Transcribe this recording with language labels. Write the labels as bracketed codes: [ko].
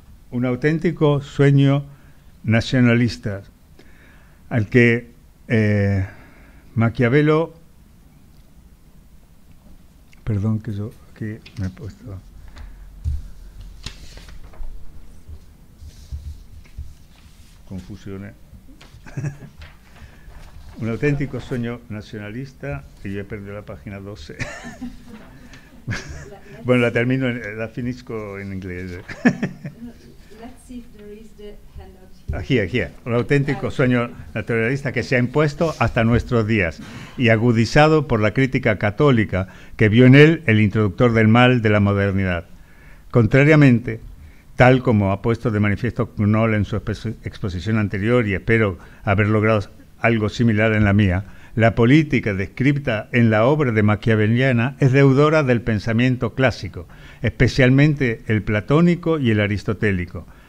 [es] un auténtico sueño nacionalista al que Maquiavelo, perdón que yo aquí me he puesto, confusiones. Un auténtico sueño nacionalista, y yo he perdido la página 12. Bueno, la termino, la finisco en inglés. [en] Let's see if there is the handout here. [es] Aquí, aquí. Un auténtico sueño nacionalista que se ha impuesto hasta nuestros días y agudizado por la crítica católica que vio en él el introductor del mal de la modernidad. Contrariamente, tal como ha puesto de manifiesto Knoll en su exposición anterior, y espero haber logrado algo similar en la mía, la política descrita en la obra de Maquiaveliana es deudora del pensamiento clásico, especialmente el platónico y el aristotélico.